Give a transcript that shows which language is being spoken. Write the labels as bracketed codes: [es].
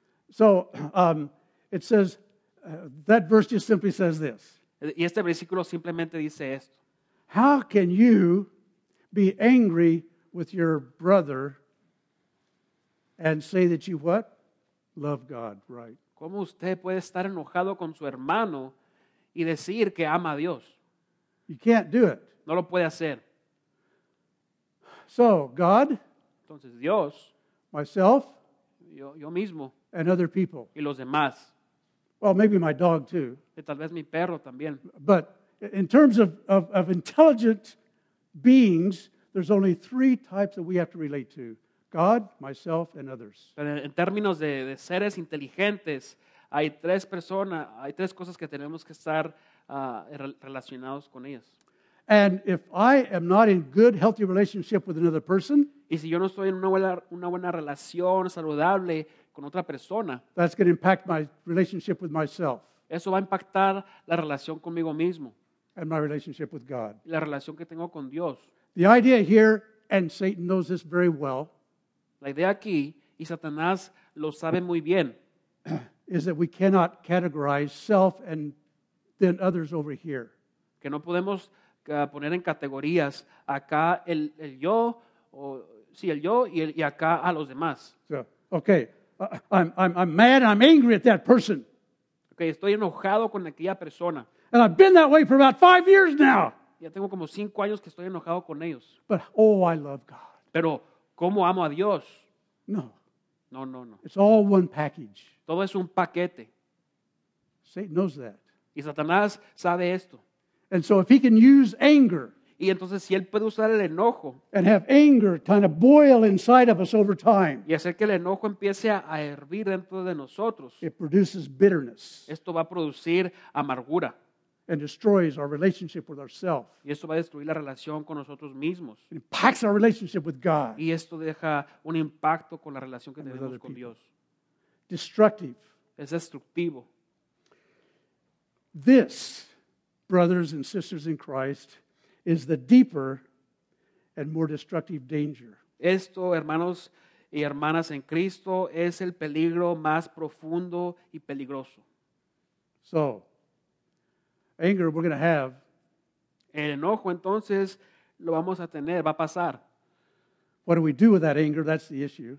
[en] So, it says that verse just simply says this. [es] Y este versículo simplemente dice esto. [en] How can you be angry with your brother and say that you what? Love God, right? [es] ¿Cómo usted puede estar enojado con su hermano y decir que ama a Dios? [en] You can't do it. [es] No lo puede hacer. [en] So, God, [es] entonces Dios, [en] myself, [es] yo mismo, [en] and other people, [es] y los demás. [en] Well, maybe my dog too. [es] Y tal vez mi perro también. [en] But in terms of intelligent beings, there's only three types that we have to relate to: God, myself, and others. [es] Pero en términos de seres inteligentes, hay tres personas, hay tres cosas que tenemos que estar relacionados con ellas. [en] And if I am not in good, healthy relationship with another person, [es] y si yo no estoy en una buena relación saludable con otra persona, [en] that's going to impact my relationship with myself. [es] Eso va a impactar la relación conmigo mismo. [en] And my relationship with God. [es] La relación que tengo con Dios. [en] The idea here, and Satan knows this very well, [es] la idea aquí, y Satanás lo sabe muy bien, [en] is that we cannot categorize self and then others over here. [es] Que no podemos poner en categorías acá el yo, o sí, el yo y acá a los demás. [en] So, okay, I'm mad, I'm angry at that person. [es] Okay, estoy enojado con aquella persona. [en] And I've been that way for about 5 years now. [es] Ya tengo como 5 años que estoy enojado con ellos. [en] But, oh, I love God. [es] Pero, ¿cómo amo a Dios? [en] No. [es] No, no, no. [en] It's all one package. [es] Todo es un paquete. [en] Satan knows that. [es] Y Satanás sabe esto. [en] And so if he can use anger, [es] y entonces si él puede usar el enojo, [en] and have anger kind of boil inside of us over time, [es] y hacer que el enojo empiece a hervir dentro de nosotros, [en] it produces bitterness. [es] Esto va a producir amargura. [en] And destroys our relationship with ourselves. [es] Y esto va a destruir la relación con nosotros mismos. [en] It impacts our relationship with God. [es] Y esto deja un impacto con la relación que tenemos con Dios. [en] Destructive. [es] Es destructivo. [en] This, brothers and sisters in Christ, is the deeper and more destructive danger. [es] Esto, hermanos y hermanas en Cristo, es el peligro más profundo y peligroso. [en] So, anger we're going to have. [es] El enojo, entonces, lo vamos a tener, va a pasar. [en] What do we do with that anger? That's the issue.